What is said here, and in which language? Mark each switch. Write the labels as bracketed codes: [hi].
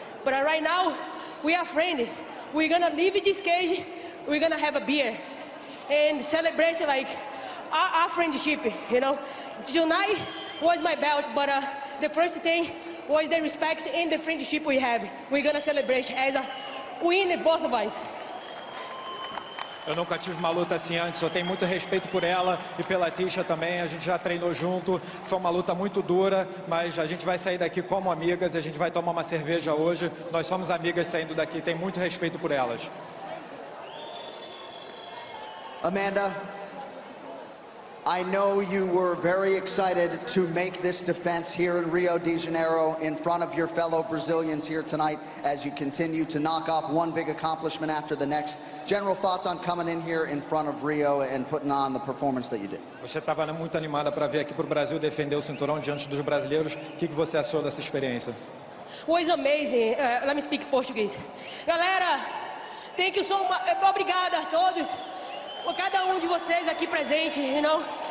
[en] But right now, we are friends. We're gonna leave this cage, we're gonna have a beer. And celebrate like our friendship, you know? Tonight was my belt, but the first thing was the respect and the friendship we have. We're gonna celebrate as a win, both of us. [pt] Eu nunca tive uma luta assim antes, eu tenho muito respeito por ela e pela Tisha também. A gente já treinou junto, foi uma luta muito dura, mas a gente vai sair daqui como amigas, a gente vai tomar uma cerveja hoje. Nós somos amigas saindo daqui, tenho muito respeito por elas. [en] Amanda, I know you were very excited to make this defense here in Rio de Janeiro in front of your fellow Brazilians here tonight as you continue to knock off one big accomplishment after the next. General thoughts on coming in here in front of Rio and putting on the performance that you did. [pt] Você estava muito animada para vir aqui para o Brasil defender o cinturão diante dos brasileiros. O que você achou dessa experiência? [en] Was amazing. Let me speak Portuguese. Galera, thank you so much. [pt] Obrigada a todos. Cada de vocês aqui presente, [en] you know?